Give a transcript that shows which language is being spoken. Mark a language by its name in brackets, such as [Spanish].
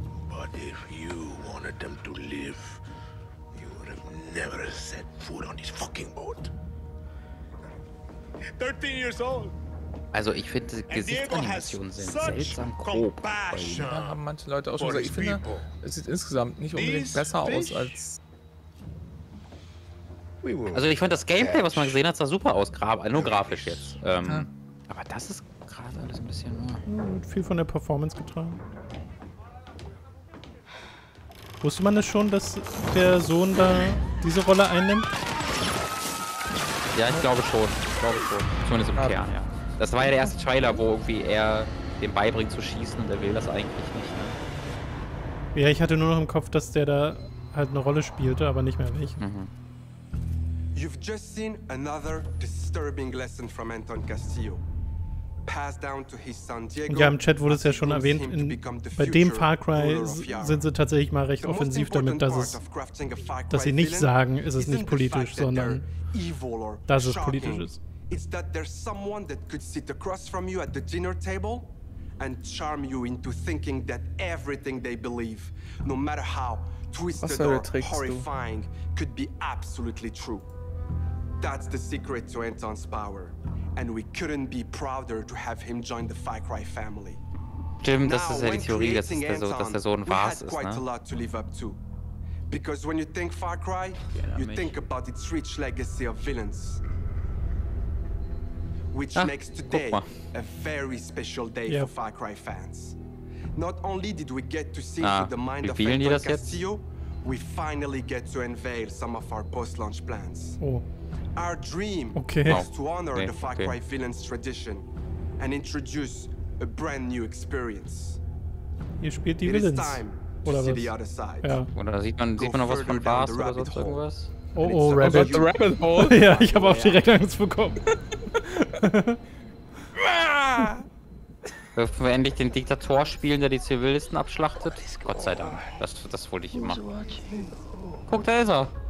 [English] But if you wanted them to live, you would have never set foot on this fucking boat. 13 years old. [German] Also ich finde, die Gesichtsanimationen sind seltsam grob. Da haben manche Leute auch schon gesagt, ich finde, es sieht insgesamt nicht unbedingt besser aus als... Also ich fand das Gameplay, was man gesehen hat, sah super aus, nur grafisch jetzt. Aber das ist... gerade alles ein bisschen. Wird viel von der Performance getragen. Wusste man das schon, dass der Sohn da diese Rolle einnimmt? Ja, ich glaube schon. Ich glaube schon. Zumindest im Kern, ja. Das war ja der erste Trailer, wo irgendwie er dem beibringt zu schießen und er will das eigentlich nicht. Ne? Ja, ich hatte nur noch im Kopf, dass der da halt eine Rolle spielte, aber nicht mehr welche. Mhm. [English] You've just seen another disturbing lesson from Anton Castillo. Passed down to his son Diego. [German] Ja, im Chat wurde es ja schon erwähnt, bei dem Far Cry sind sie tatsächlich mal recht offensiv damit, dass sie nicht sagen, ist es nicht politisch, sondern dass es politisch ist. [English] It's that there's someone that could sit across from you at the dinner table and charm you into thinking that everything they believe, no matter how twisted or horrifying, could be absolutely true. That's the secret to Anton's power. And we couldn't be prouder to have him join the Far Cry family. [German] Jim, das ist ja die Theorie, dass der Sohn was ist, ne? [English] Quite a lot to live up to. Because when you think Far Cry, you think about its rich legacy of villains. Which makes today a very special day for Far Cry fans. Not only did we get to see through the mind of Anton Castillo, we finally get to unveil some of our post-launch plans. Our dream is to honor the Far Cry villains tradition and introduce a brand new experience. [German] Ihr spielt die villains. Oder was? Ja. Oder sieht man noch was von Bars oder so irgendwas? [English] Oh, Rabbit. The Rabbit Hole. [German] Ja, ich habe auch direkt Angst bekommen. Dürfen wir endlich den Diktator spielen, der die Zivilisten abschlachtet? Gott sei Dank. Das wollte ich immer. Guck, da ist er.